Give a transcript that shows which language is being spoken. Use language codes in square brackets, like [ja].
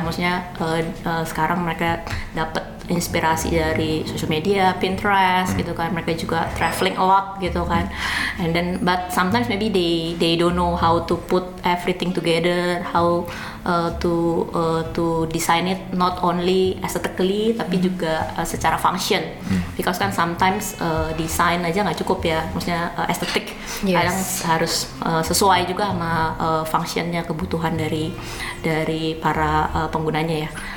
[id] Maksudnya sekarang mereka dapat inspirasi dari social media, Pinterest gitu kan. Mereka juga [en] traveling a lot [id] gitu kan. [en] And then but sometimes maybe they don't know how to put everything together, how to design it not only aesthetically [id] tapi juga secara function. [en] Because [id] kan sometimes design aja nggak cukup ya, maksudnya estetik kadang harus sesuai juga sama functionnya, kebutuhan dari para penggunanya ya.